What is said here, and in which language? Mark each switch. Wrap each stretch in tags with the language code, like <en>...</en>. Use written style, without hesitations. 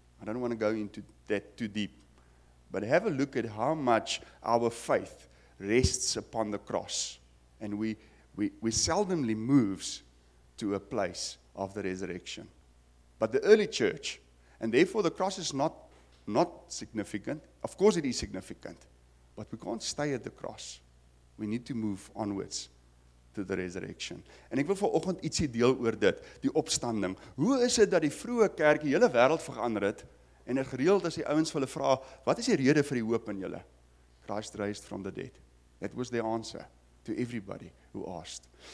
<en>I don't want to go into that too deep. But have a look at how much our faith rests upon the cross, and we seldomly moves to a place of the resurrection. But the early church, and therefore the cross is not significant. Of course it is significant, but we can't stay at the cross. We need to move onwards to the resurrection.</en> <af>En ek wil vanoggend ietsie deel oor dit, die opstanding. Hoe is dit dat die vroeë kerk die hele wêreld verander het, en het gereeld as die ouens hulle vra, wat is die rede vir die hoop in julle?</af> <en>Christ raised from the dead. That was the answer to everybody who asked.</en>